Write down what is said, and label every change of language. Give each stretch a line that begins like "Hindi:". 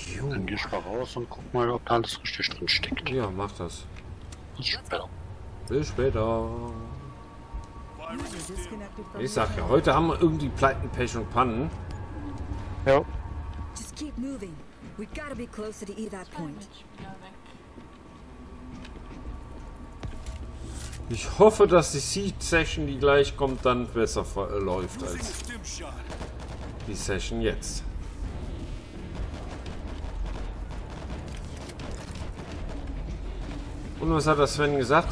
German: Dann geh ich mal raus und guck mal, ob da alles richtig drin steckt. Ja, mach das. Bis später. Bis später. Ich sag ja, heute haben wir irgendwie Pleiten, Pech und Pannen.
English: Ja. Just keep moving. We gotta be closer to either point.
German: Ich hoffe, dass die Seed Session, die gleich kommt, dann besser verläuft als die Session jetzt. Und was hat der Sven gesagt?